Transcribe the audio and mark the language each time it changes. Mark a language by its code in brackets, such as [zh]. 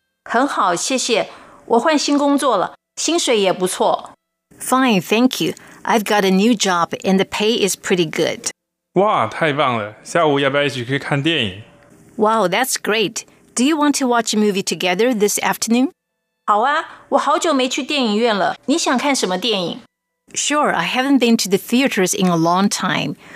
[zh] 很好，谢谢。我换新工作了，薪水也不错。 [en] Fine, thank you. I've got a new job, and the pay is pretty good. [zh] 哇，太棒了！下午要不要一起去看电影？ [en] Wow, that's great. Do you want to watch a movie together this afternoon? [zh] 好啊，我好久没去电影院了。你想看什么电影？ [en] Sure, I haven't been to the theaters in a long time.